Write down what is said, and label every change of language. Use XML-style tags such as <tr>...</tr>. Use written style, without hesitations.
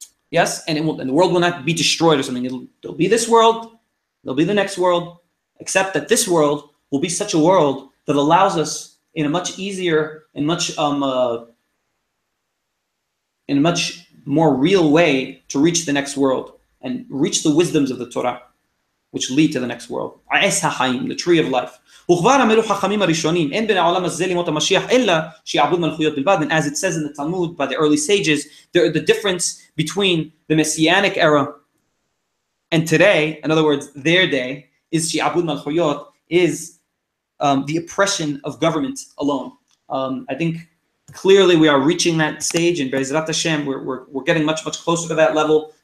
<en>Yes, and the world will not be destroyed or something. There'll be this world, there'll be the next world, except that this world will be such a world that allows us in a much easier and much more real way to reach the next world and reach the wisdoms of the Torah, which lead to the next world. Ha'es ha'chaim, the tree of life.</en> <he>וכבר אמרו חכמים הראשונים, אין בין העולם הזה לימות המשיח, אלא שיעבוד מלכויות בלבד.</he> <en>And as it says in the Talmud, by the early sages, the difference between the Messianic era and today, in other words, their day, is שיעבוד מלכויות, is the oppression of government alone. I think clearly we are reaching that stage, and Be'ezrat Hashem, we're getting much, much closer to that level.</en>